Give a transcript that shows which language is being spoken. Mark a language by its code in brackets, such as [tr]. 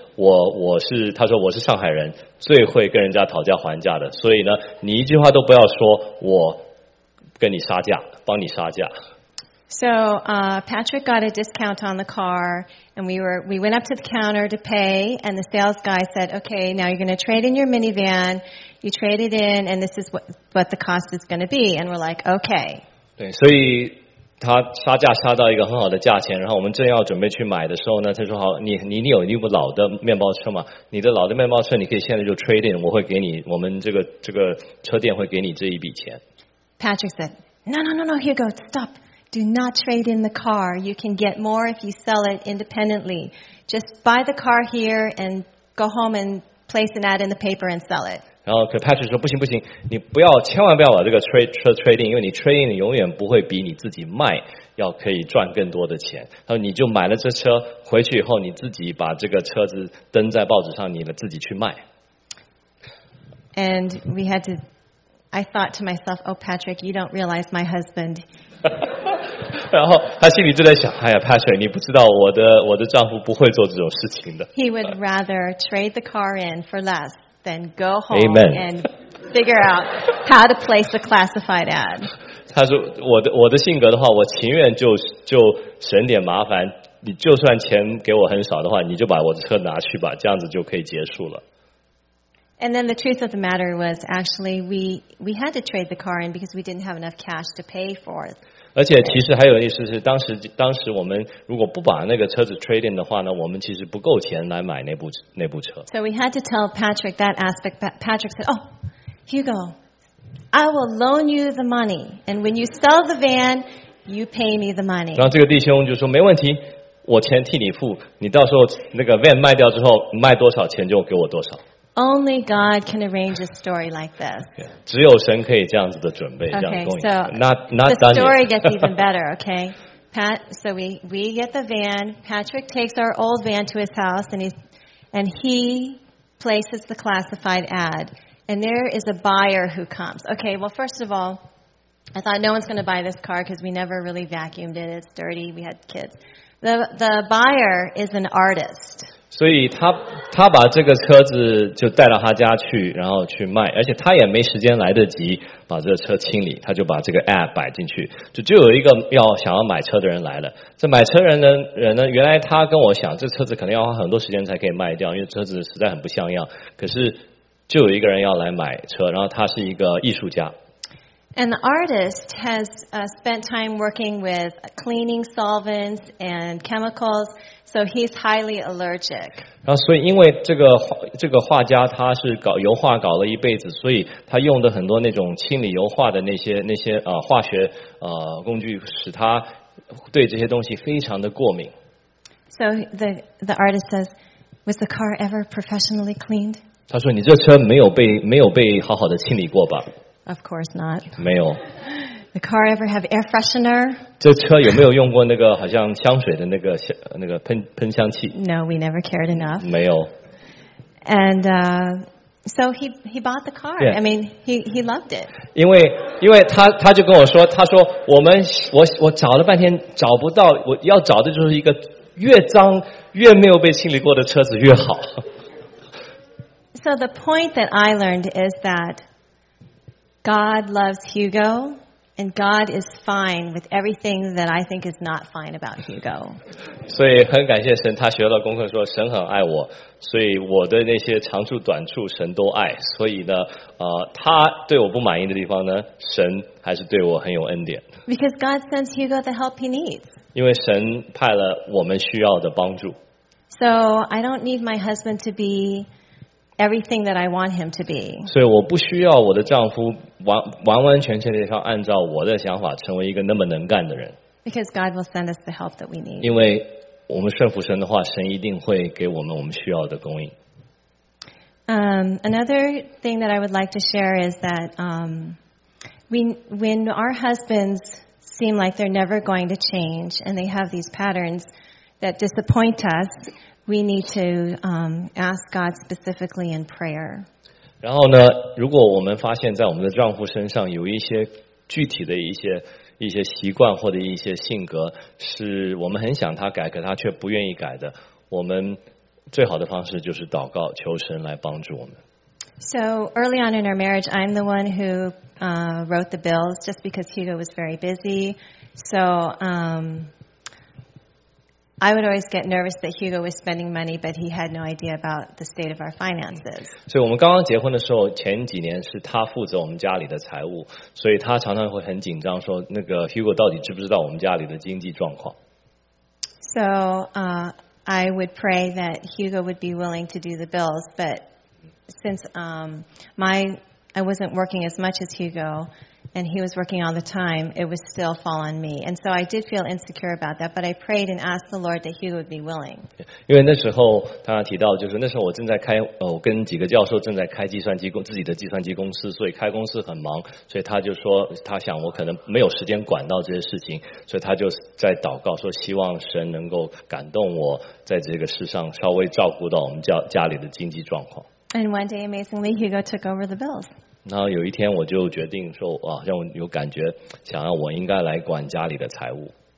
[zh] 我是他说我是上海人，最会跟人家讨价还价的，所以呢，你一句话都不要说，我跟你杀价，帮你杀价。 [en] So, Patrick got a discount on the car, and we went up to the counter to pay, and the sales guy said, "Okay, now you're going to trade in your minivan. You trade it in, and this is what the cost is going to be." And we're like, "Okay." [zh] 对，所以。他杀价杀到一个很好的价钱，然后我们正要准备去买的时候呢，他说好，你有一部老的面包车吗？你的老的面包车你可以现在就 [en] trade in， [zh] 我会给你，我们这个车店会给你这一笔钱。 [en] Patrick said, "No, no, no, no, Hugo, stop. Do not trade in the car. You can get more if you sell it independently. Just buy the car here and go home and place an ad in the paper and sell it." [zh] 然后可 Patrick 说，不行，你不要，千万不要把这个 [en] trading， [zh] 因为你 trading 永远不会比你自己卖要可以赚更多的钱。他说你就买了这车回去以后，你自己把这个车子登在报纸上，你自己去卖。 [en] And we had to, I thought to myself, "Oh, Patrick, you don't realize my husband." [zh] 然后他心里就在想，哎呀 ，Patrick， 你不知道我的丈夫不会做这种事情的。 [en] He would rather trade the car in for less. Then go home、Amen. and figure out how to place a classified ad. [zh] 他说我的性格的话，我情愿就省点麻烦。你就算钱给我很少的话，你就把我的车拿去吧，这样子就可以结束了。 [en] And then the truth of the matter was actually we had to trade the car in because we didn't have enough cash to pay for it. [zh] 而且其实还有意思是，当时我们如果不把那个车子 [en] trade in [zh] 的话呢，我们其实不够钱来买那部车。 [en] So we had to tell Patrick that aspect. Patrick said, "Oh, Hugo, I will loan you the money, and when you sell the van, you pay me the money." [zh] 然后这个弟兄就说，没问题，我钱替你付，你到时候那个 van 卖掉之后，卖多少钱就给我多少。 [en] Only God can arrange a story like this. [zh] 只有神可以这样子的准备 [en] okay, [zh] 这样供应 [en] so not the story gets even better, okay? Pat, so we get the van. Patrick takes our old van to his house and he places the classified ad. And there is a buyer who comes. Okay, well, first of all, I thought no one's going to buy this car because we never really vacuumed it. It's dirty. We had kids. The buyer is an artist. [zh] 所以他把这个车子就带到他家去，然后去卖，而且他也没时间来得及把这个车清理，他就把这个 app 摆进去，就有一个想要买车的人来了。这买车人呢，原来他跟我想，这车子可能要花很多时间才可以卖掉，因为车子实在很不像样。可是就有一个人要来买车，然后他是一个艺术家。 [en] And the artist has spent time working with cleaning solvents and chemicals, so he's highly allergic. [zh] 然后所以因为这个画家他是搞油画搞了一辈子，所以他用的很多那种清理油画的那些化学工具，使他对这些东西非常的过敏。 [en] So the artist says, "Was the car ever professionally cleaned?" [zh] 他说："你这车没有被好好的清理过吧？" [en] Of course not. [zh] 没有。 [en] The car ever have air freshener? [zh] 这车有没有用过那个好像香水的那个喷香器？ [en] No, we never cared enough. [zh] 没有。 [en] And so he bought the car. Yeah. I mean, he loved it. [zh] 因为他就跟我说，他说我找了半天找不到，我要找的就是一个越脏越没有被清理过的车子越好。 [en] So the point that I learned is that God loves Hugo, and God is fine with everything that I think is not fine about Hugo. [zh] 所以很感谢神，他学了功课说神很爱我，所以我的那些长处短处神都爱。所以呢，他对我不满意的地方呢，神还是对我很有恩典。 [en] Because God sends Hugo the help he needs. [zh] 因为神派了我们需要的帮助。 [en] So I don't need my husband to be. Everything that I want him to be. [zh] 所以我不需要我的丈夫完完全全的按照我的想法成为一个那么能干的人。 [en] Because God will send us the help that we need. [zh] 因为我们顺服神的话，神一定会给我们我们需要的供应。 [en] Another thing that I would like to share is that when our husbands seem like they're never going to change and they have these patterns that disappoint us. We need to ask God specifically in prayer. [zh] 然后呢，如果我们发现在我们的丈夫身上有一些具体的一些习惯或者一些性格是我们很想他改，可他却不愿意改的，我们最好的方式就是祷告，求神来帮助我们。 [en] So early on in our marriage, I'm the one who wrote the bills just because Hugo was very busy. So I would always get nervous that Hugo was spending money, but he had no idea about the state of our finances. [zh] 所以我们刚刚结婚的时候，前几年是他负责我们家里的财务，所以他常常会很紧张，说那个 Hugo 到底知不知道我们家里的经济状况。 [en] So, I would pray that Hugo would be willing to do the bills, but since I wasn't working as much as Hugo. And he was working all the time, it would still fall on me. And so I did feel insecure about that, but I prayed and asked the Lord that Hugo would be willing. [zh] 因为那时候他提到，就是那时候我正在开，我跟几个教授正在开计算机自己的计算机公司，所以开公司很忙，所以他就说他想我可能没有时间管到这些事情，所以他就在祷告说希望神能够感动我在这个世上稍微照顾到我们家里的经济状况。 [en] And one day, amazingly, Hugo took over the bills. [zh] 然后有一天我就决定说哇让我有感觉想要我应该来管家里的财务。